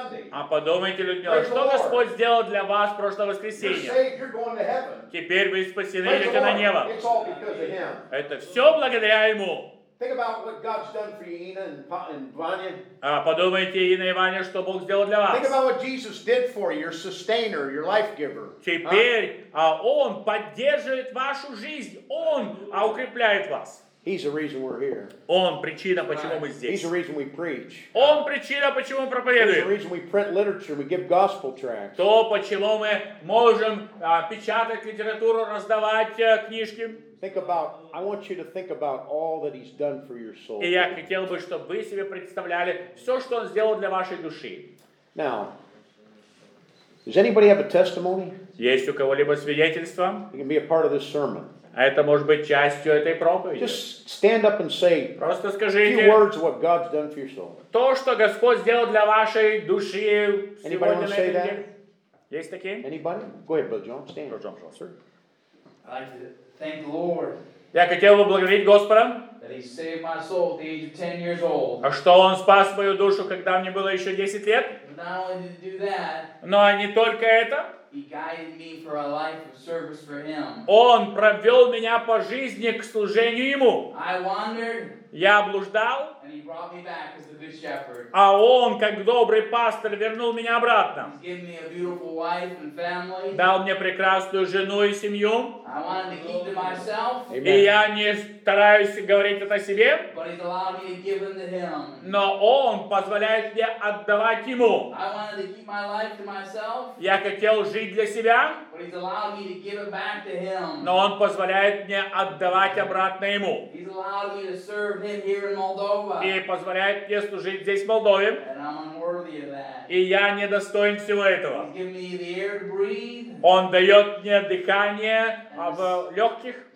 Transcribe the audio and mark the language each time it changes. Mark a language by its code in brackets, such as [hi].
[ru] А подумайте, Людмила, что Господь сделал для вас в прошлое воскресенье? Теперь вы спасены, идете на небо. Это все благодаря Ему. [en] Think about what God's done for you, Ina and Vanya. [ru] А подумайте, Ина и Ваня, что Бог сделал для вас. [en] Think about what Jesus did for you, your sustainer, your life giver. [ru] Теперь, Он поддерживает вашу жизнь. Он укрепляет вас. [en] He's the reason we're here. [ru] Он причина, почему мы здесь. [en] He's the reason we preach. [ru] Он причина, почему мы проповедуем. [en] He's the reason we print literature, we give gospel tracts. [ru] То, почему мы можем печатать литературу, раздавать книжки. [en] Think about. I want you to think about all that He's done for your soul. [ru] И я хотел бы, чтобы вы себе представляли все, что Он сделал для вашей души. [en] Now, does anybody have a testimony? [ru] Есть у кого-либо свидетельство? [en] You can be a part of this sermon. [ru] Это может быть частью этой проповеди. [en] Just stand up and say. [ru] Просто скажите. [en] Few words of what God's done for your soul. [ru] То, что Господь сделал для вашей души сегодня. [en] Anybody want to say that? [ru] Есть такие? [en] Anybody? Go ahead, Brother John. Stand. Brother John, sir. Thank the Lord. [ru] Я хотел бы благодарить Господа. [en] That He saved my soul at the age of 10 years old. [ru] А что Он спас мою душу, когда мне было еще 10 лет? [en] Not only did He do that. [ru] Но не только это. [en] He guided me for a life of service for Him. [ru] Он провел меня по жизни к служению Ему. [en] I wandered. [ru] Я блуждал. [en] And He brought me back as a good shepherd. [ru] А Он, как добрый пастор, вернул меня обратно. [en] He's given me a beautiful wife and family. [ru] Дал мне прекрасную жену и семью. [en] I wanted to keep to myself. [ru] И я не стараюсь говорить это себе. [en] But He's allowed me to give them to Him. [ru] Но Он позволяет мне отдавать Ему. [en] I wanted to keep my life to myself. [ru] Я хотел жить для себя. [en] But He's allowed me to give it back to Him. [ru] Но Он позволяет мне отдавать обратно Ему. [en] He's allowed me to serve Him here in Moldova. [ru] И позволяет мне служить здесь, в Молдове. [en] And I'm unworthy of that. [ru] И я недостоин всего этого. [en] He's given me the air to breathe. [ru] Он дает мне дыхание в легких.